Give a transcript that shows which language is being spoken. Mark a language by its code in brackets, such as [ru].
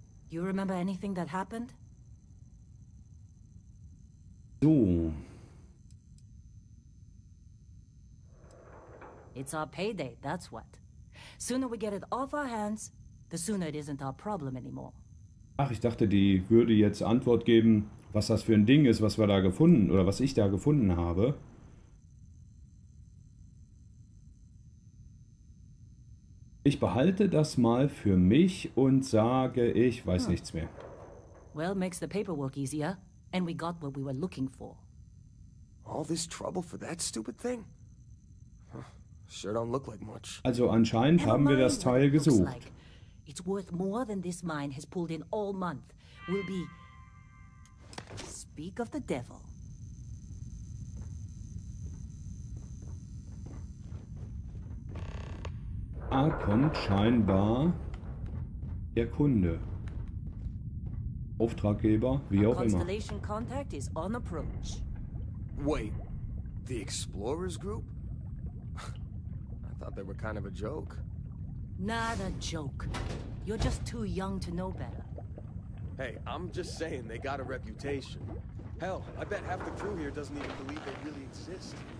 [en] You remember anything that happened? So. It's our payday, that's what. Sooner we get it off our hands, the sooner it isn't our problem anymore. [de] Ach, ich dachte, die würde jetzt Antwort geben, was das für ein Ding ist, was wir da gefunden oder was ich da gefunden habe. Ich behalte das mal für mich und sage, ich weiß nichts mehr. [en] Well, makes the paperwork easier. And we got what we were looking for. All this trouble for that stupid thing? Sure don't look like much. [de] Also anscheinend haben wir das Teil gesucht. [en] It's worth more than this mine has pulled in all month. We'll be... Speak of the devil. [de] Da kommt scheinbar der Kunde. Auftraggeber, wie auch immer. [en] Constellation contact is on approach. Wait, the Explorers group? I thought they were kind of a joke. Not a joke. You're just too young to know better. Hey, I'm just saying they got a reputation. Hell, I bet half the crew here doesn't even believe they really exist.